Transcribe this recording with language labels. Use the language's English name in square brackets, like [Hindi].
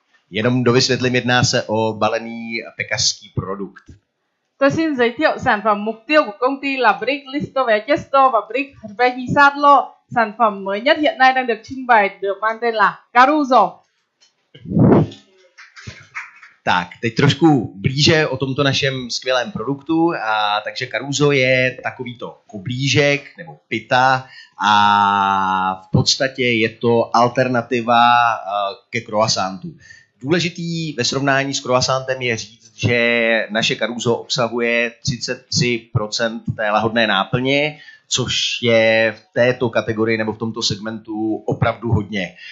[Czech] Jenom dovysvětlím, jedná se o balený pekařský produkt. [Vietnamese] Tôi xin giới thiệu sản phẩm mục tiêu của công ty là Brick [Czech] listové těsto [Vietnamese] và Brick [Czech] hrbení sádlo. [Vietnamese] Sản phẩm mới nhất hiện nay đang được trưng bày được mang tên là Caruso. [Czech] Tak, teď trošku blíže o tomto našem skvělém produktu. A, takže Caruso je takovýto kublížek nebo pita a v podstatě je to alternativa ke croissantu. Důležitý ve srovnání s croissantem je říct, že naše Caruso obsahuje 33% té lahodné náplně, což je v této kategorii nebo v tomto segmentu opravdu hodně.